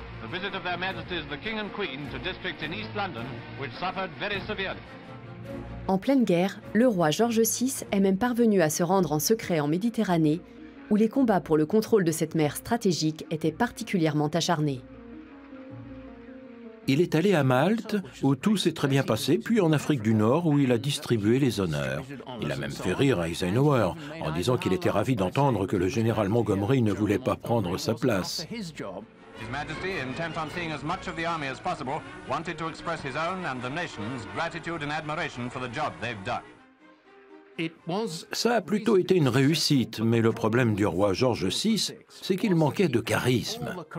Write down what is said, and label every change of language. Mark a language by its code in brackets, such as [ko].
[en] The visit of their majesties, the King and Queen, to districts in East London, which suffered very severely. [fr] En pleine guerre, le roi George VI est même parvenu à se rendre en secret en Méditerranée, où les combats pour le contrôle de cette mer stratégique étaient particulièrement acharnés. Il est allé à Malte, où tout s'est très bien passé, puis en Afrique du Nord, où il a distribué les honneurs. Il a même fait rire Eisenhower, en disant qu'il était ravi d'entendre que le général Montgomery ne voulait pas prendre sa place. [en] His Majesty, intent on seeing as much of the army as possible, wanted to express his own and the nation's gratitude and admiration for the job they've done. [fr] Ça a plutôt été une réussite, mais le problème du roi George VI, c'est qu'il manquait de charisme.